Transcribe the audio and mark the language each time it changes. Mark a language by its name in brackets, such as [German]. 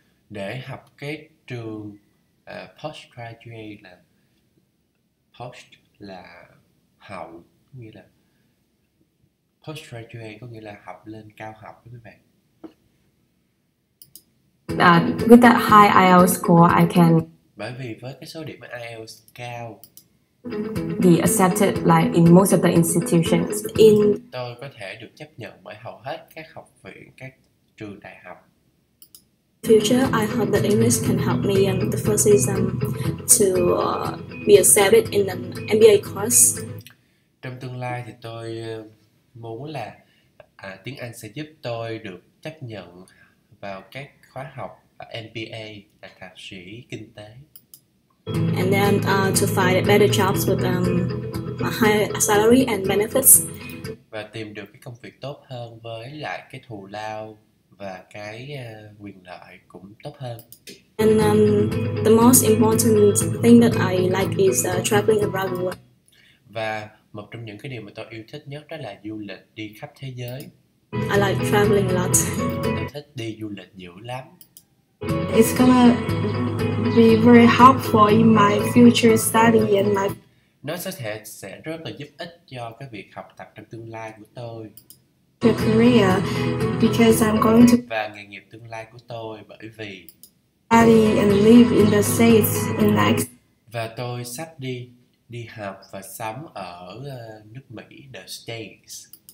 [Vietnamese] Để học cái trường postgraduate là post là hậu, nghĩa là postgraduate có nghĩa là học lên cao học với các [English] With that high IELTS score, [Vietnamese] Bởi vì với cái số điểm IELTS cao, [English] can be accepted like in most of the institutions in. [Vietnamese] tôi có thể được chấp nhận bởi hầu hết các học viện, các trường đại học. [English] Future, I hope that English can help me in the first exam to be accepted in an MBA course. [Vietnamese] Trong tương lai thì tôi muốn là tiếng Anh sẽ giúp tôi được chấp nhận vào các khóa học MBA là thạc sĩ kinh tế. [English] And then to find better jobs with a high salary and [Vietnamese] Và tìm được cái công việc tốt hơn với lại cái thù lao và cái quyền lợi cũng tốt hơn. [English] the most important thing that I like is traveling around the world. [Vietnamese] Và một trong những cái điều mà tôi yêu thích nhất đó là du lịch đi khắp thế giới. [English] I like traveling a lot. [Vietnamese] Tôi thích đi du lịch dữ lắm. [English] It's gonna be very helpful in my future study and my. [Vietnamese] Nó sẽ rất là giúp ích cho cái việc học tập trong tương lai của tôi [English] Career, because I'm going [Vietnamese] và nghề nghiệp tương lai của tôi, bởi vì [English] to study and live in the States in [Vietnamese] và tôi sắp đi đi học và sống ở nước Mỹ, the States,